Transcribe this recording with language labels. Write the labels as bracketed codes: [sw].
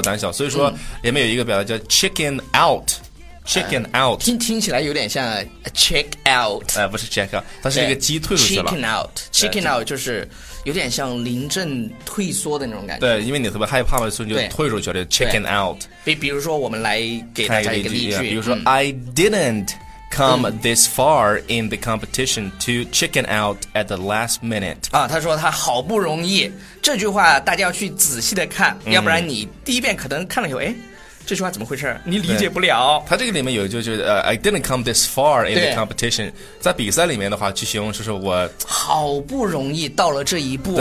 [zh] 胆小，所以说里面有一个表达叫 chicken out。Chicken out，听起来有点像 check out。不是 check out， 它是一个鸡退出去了。 Chicken out，chicken out 就是有点像临阵退缩的那种感觉。对，因为你特别害怕嘛，所以就退出去了。 [en] Chicken out。 [zh] 比如说，我们来给大家一个例句，比如说 [en] I didn't come this far in the competition to chicken out at the last minute。 [zh] 啊，他说他好不容易，这句话大家要去仔细的看，要不然你第一遍可能看了以后，这句话怎么回事？你理解不了。他这个里面有就是 [en] I didn't come this far in the competition， [zh] 在比赛里面的话，去形容就是我好不容易到了这一步，